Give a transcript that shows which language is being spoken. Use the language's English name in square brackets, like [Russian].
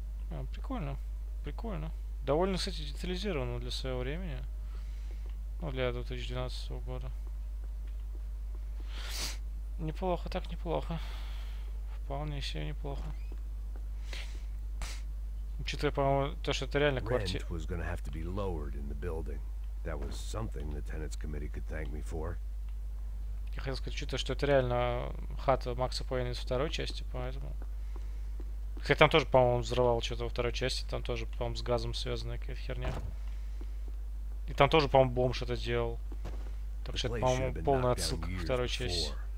[Russian] А, прикольно. Прикольно. Довольно, кстати, детализировано для своего времени. Ну, для 2012 года. Неплохо, так неплохо. Вполне себе неплохо. Учитывая, по-моему, то, что это реально квартира. [English] Rent was gonna have to be lowered in the building. That was something the tenants committee could thank me for. [Russian] Я хотел сказать, учитывая, что это реально хата Макса Пейна из второй части, поэтому... Хотя там тоже, по-моему, он взрывал что-то во второй части. Там тоже, по-моему, с газом связанная какая-то херня. И там тоже, по-моему, бомж это делал. Так что это, по-моему, полная отсылка к второй части.